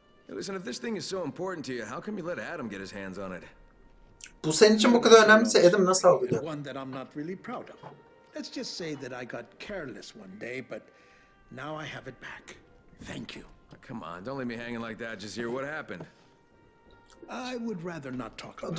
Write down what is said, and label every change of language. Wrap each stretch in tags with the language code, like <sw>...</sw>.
<en>Listen, if this thing is so important to you, how come you let Adam get his hands on it?</en> <tr>Bu senin için bu kadar önemliyse Adam nasıl aldı diyor.</tr> <en>One that I'm not really proud of. Let's just say that I got careless one day, but now I have it back. Thank you. Come on, don't leave me hanging like that, Jazir. What happened? I would rather not talk about</en>